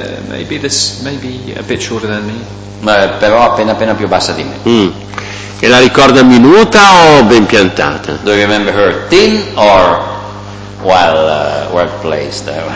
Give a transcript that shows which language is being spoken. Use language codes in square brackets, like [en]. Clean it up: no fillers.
[en] Maybe this, maybe a bit shorter than me. [it] Ma però appena appena più bassa di me. Mm. E la ricorda minuta o ben piantata? [en] Do you remember her thin or well well placed?